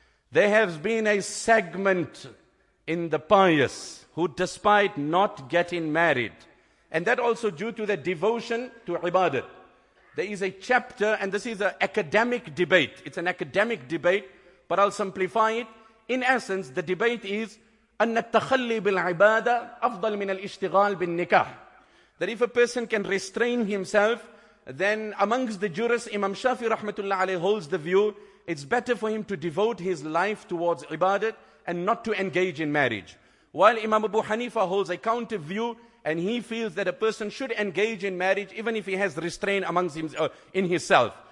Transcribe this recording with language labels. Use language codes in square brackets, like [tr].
[en] There has been a segment in the pious who despite not getting married, and that also due to their devotion to ibadah. There is a chapter, and this is an academic debate. It's an academic debate, but I'll simplify it. In essence, the debate is [ar] أن التخلي بالعبادة أفضل من الاشتغال بالنكاح. [en] That if a person can restrain himself, then amongst the jurists, Imam Shafi rahmatullah alayhi holds the view, it's better for him to devote his life towards ibadah and not to engage in marriage. While Imam Abu Hanifa holds a counter view, and he feels that a person should engage in marriage even if he has restraint amongst him, in himself.